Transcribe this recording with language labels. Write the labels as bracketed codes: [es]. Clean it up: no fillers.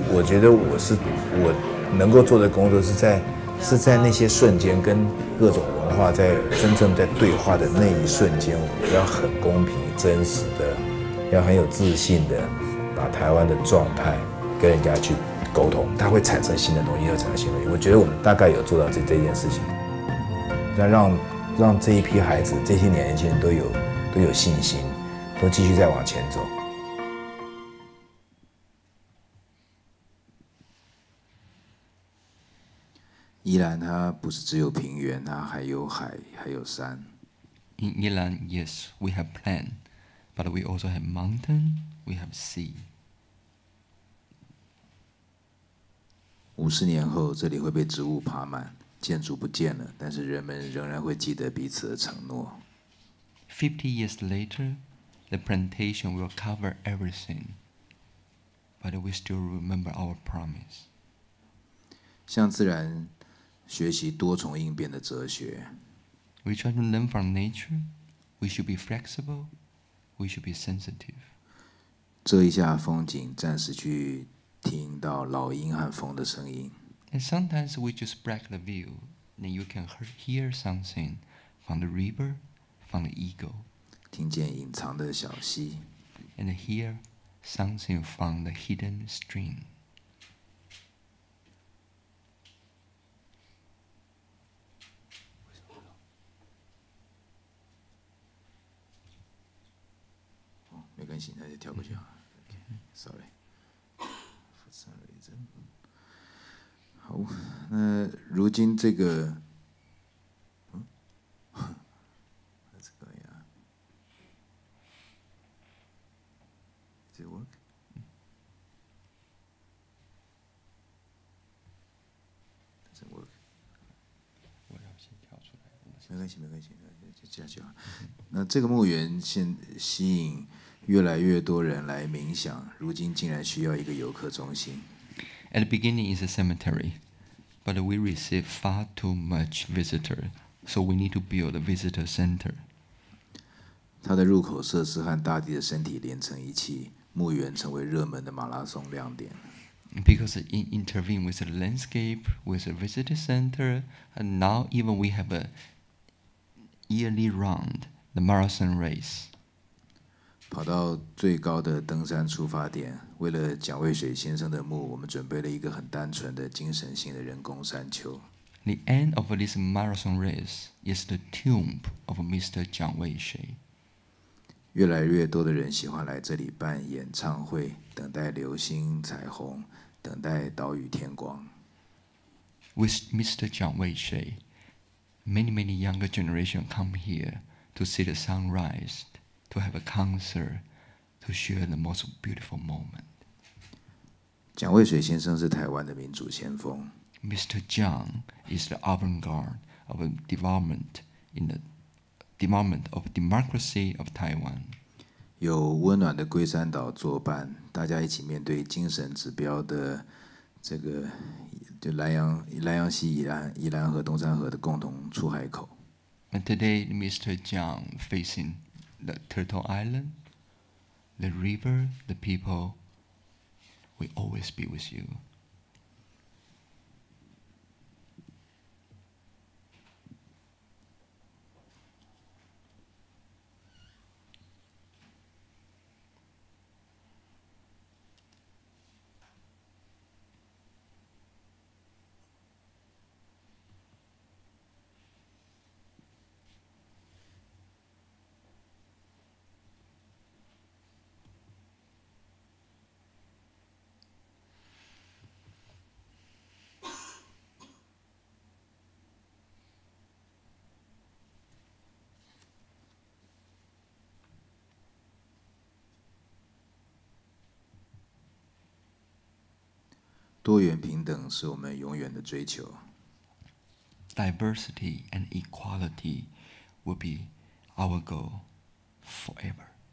[zh] 我觉得我能够做的工作是在那些瞬间跟各种文化在真正在对话的那一瞬间，我要很公平真实的，要很有自信的把台湾的状态跟人家去沟通，它会产生新的东西，又产生新的东西。我觉得我们大概有做到这件事情，让这一批孩子，这些年轻人都有都有信心，都继续再往前走。宜兰它不是只有平原，它还有海，还有山。 [en] In Yilan, yes, we have plain, but we also have mountain, we have sea. [zh] 五十年后，这里会被植物爬满，建筑不见了，但是人们仍然会记得彼此的承诺。 [en] 50 years later, the plantation will cover everything, but we still remember our promise. [zh] 向自然学习多重应变的哲学。 [en] We try to learn from nature. We should be flexible. We should be sensitive. [zh] 遮一下风景，暂时去听到老鹰和风的声音。 [en] And sometimes we just break the view, then you can hear something from the river, from the eagle. [zh] 听见隐藏的小溪。 [en] And hear something from the hidden stream. [zh] 没关系，那就跳过去啊。 [en] Okay, sorry, for some reason。 [zh] 好，那如今这个， [en] What's going on? Does it work? [zh] 我要先跳出来。没关系，就下去啊。那这个墓园现吸引。越来越多人来冥想，如今竟然需要一个游客中心。 [en] At the beginning is a cemetery, but we receive far too much visitors, so we need to build a visitor center. [zh] 它的入口设施和大地的身体连成一气，墓园成为热门的马拉松亮点。 [en] Because it intervenes with the landscape, with the visitor center, and now even we have a yearly round, the marathon race. [zh] 跑到最高的登山出发点，为了蒋渭水先生的墓，我们准备了一个很单纯的精神性的人工山丘。 [en] The end of this marathon race is the tomb of Mr. [zh] 蒋渭水。越来越多的人喜欢来这里办演唱会，等待流星彩虹，等待岛屿天光。 [en] With Mr. 蒋渭水， many many younger generation come here to see the sunrise. To have a concert, to share the most beautiful moment. [zh] 蒋渭水先生是台湾的民主先锋。 [en] Mr. Zhang is the avant-garde of development in the development of democracy of Taiwan. [zh] 有温暖的龟山岛作伴，大家一起面对精神指标的这个，就南洋溪宜兰和东山河的共同出海口。 [en] And today, Mr. Zhang facing. The Turtle Island, the river, the people, will always be with you. [zh] 多元平等是我们永远的追求。 [en] Diversity and equality will be our goal forever.